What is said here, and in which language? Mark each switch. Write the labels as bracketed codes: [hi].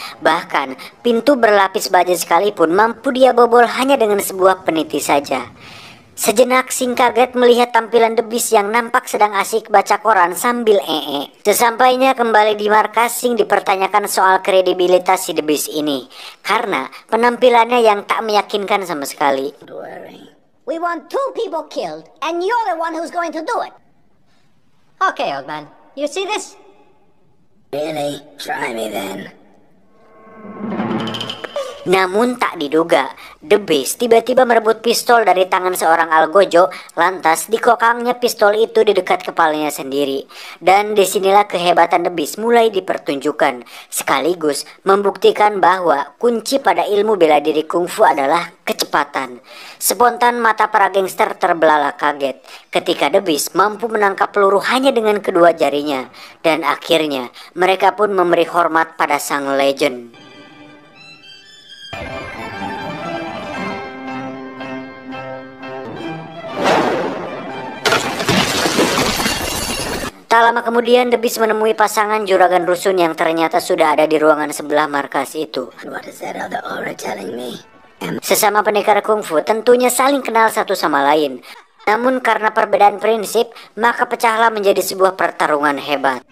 [id] Bahkan, pintu berlapis baja sekalipun mampu dia bobol hanya dengan sebuah peniti saja. Sejenak, Sing kaget melihat tampilan The Beast yang nampak sedang asik baca koran sambil ee. Sesampainya kembali di markas, Sing dipertanyakan soal kredibilitas si The Beast ini. Karena penampilannya yang tak meyakinkan sama sekali. [en] We want two people killed, and you're the one who's going to do it. Okay, old man. You see this? Really? Try me then. [id] Namun tak diduga, The Beast tiba-tiba merebut pistol dari tangan seorang algojo, lantas dikokangnya pistol itu di dekat kepalanya sendiri. Dan disinilah kehebatan The Beast mulai dipertunjukkan, sekaligus membuktikan bahwa kunci pada ilmu bela diri kungfu adalah kecepatan. Spontan mata para gangster terbelalak kaget ketika The Beast mampu menangkap peluru hanya dengan kedua jarinya. Dan akhirnya mereka pun memberi hormat pada sang legend. Tak lama kemudian, The Beast menemui pasangan juragan rusun yang ternyata sudah ada di ruangan sebelah markas itu. [en] What is that other aura telling me? [id] Sesama pendekar kungfu tentunya saling kenal satu sama lain. Namun karena perbedaan prinsip, maka pecahlah menjadi sebuah pertarungan hebat.